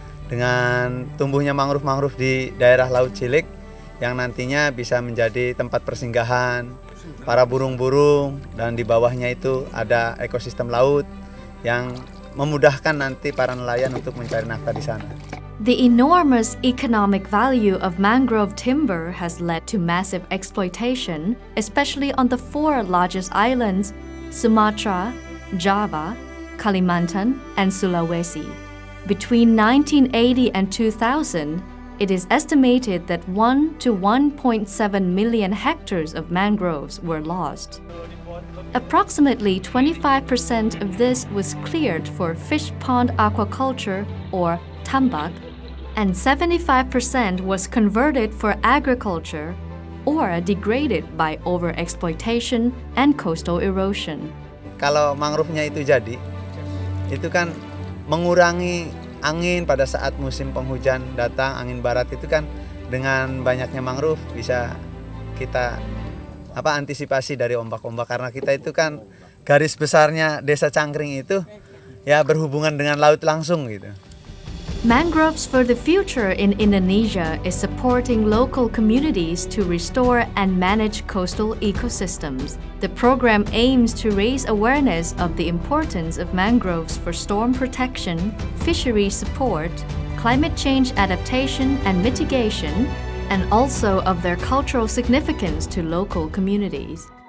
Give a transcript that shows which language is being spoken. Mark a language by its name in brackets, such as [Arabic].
[Indonesian] Dengan tumbuhnya mangrove-mangrove di daerah laut cilik, yang nantinya bisa menjadi tempat persinggahan para burung-burung, dan di bawahnya itu ada ekosistem laut yang memudahkan nanti para nelayan untuk mencari nafkah di sana. [English] The enormous economic value of mangrove timber has led to massive exploitation, especially on the four largest islands, Sumatra, Java, Kalimantan, and Sulawesi. Between 1980 and 2000, it is estimated that 1 to 1.7 million hectares of mangroves were lost. Approximately 25% of this was cleared for fish pond aquaculture, or tambak, and 75% was converted for agriculture or degraded by overexploitation and coastal erosion. [Indonesian] Kalau mangrove-nya itu jadi, itu kan mengurangi angin pada saat musim penghujan datang, angin barat itu kan dengan banyaknya mangrove bisa kita antisipasi dari ombak-ombak, karena kita itu kan garis besarnya desa Cangkring itu ya berhubungan dengan laut langsung gitu. [English] Mangroves for the Future in Indonesia is supporting local communities to restore and manage coastal ecosystems. The program aims to raise awareness of the importance of mangroves for storm protection, fishery support, climate change adaptation and mitigation, and also of their cultural significance to local communities.